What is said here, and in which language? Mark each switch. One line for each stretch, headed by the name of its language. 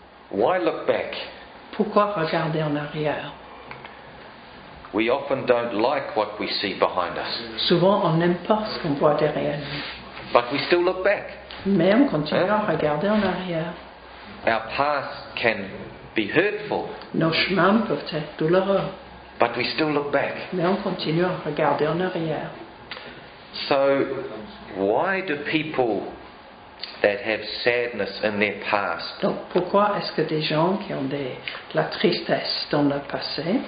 English: Why look back?
French: Pourquoi regarder en arrière?
English: We often don't like what we see behind us.
French: Souvent, on n'aime pas ce qu'on voit derrière nous.
English: But we still look back.
French: Mais on continue à regarder en arrière.
English: Our past can be hurtful.
French: Nos chemins peuvent être douloureux.
English: But we still look back.
French: Mais on continue à regarder en arrière.
English: So, why do people that have sadness in their past?
French: Donc pourquoi est-ce que des gens qui ont la tristesse dans leur passé